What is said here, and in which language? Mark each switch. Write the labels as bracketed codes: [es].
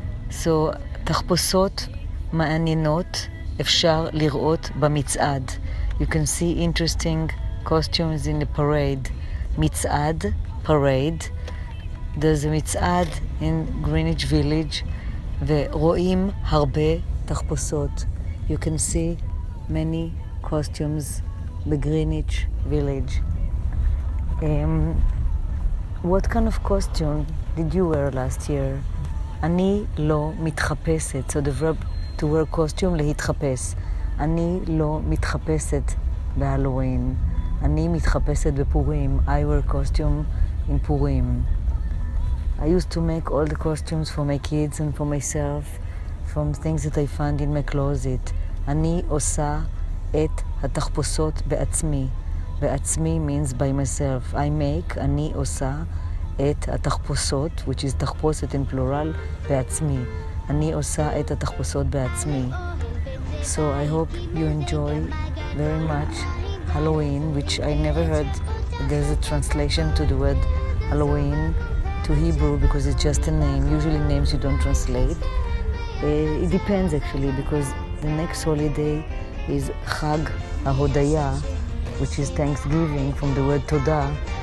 [he] So, תחפושות מעניינות אפשר לראות במצעד. [en] You can see interesting costumes in the parade. [he] מצעד, parade. [en] There's a מצעד in Greenwich Village, [he] ורואים הרבה תחפושות. [en] You can see many costumes בגריניץ' village. What kind of costume did you wear last year? [he] אני לא מתחפשת. [en] So the verb to wear costume, להתחפש. [he] אני לא מתחפשת בהלווין. אני מתחפשת בפורים. [en] I wear costume in פורים. I used to make all the costumes for my kids and for myself from things that I found in my closet. [he] אני עושה את התחפושות בעצמי. [en] בעצמי means by myself. I make, [he] אני עושה את התחפושות, [en] which is תחפושת in plural, בעצמי. [he] אני עושה את התחפושות בעצמי. [en] So I hope you enjoy very much Halloween, which I never heard there's a translation to the word Halloween to Hebrew, because it's just a name. Usually names you don't translate. It depends actually, because the next holiday is Chag Ahodaya, which is Thanksgiving, from the word Toda.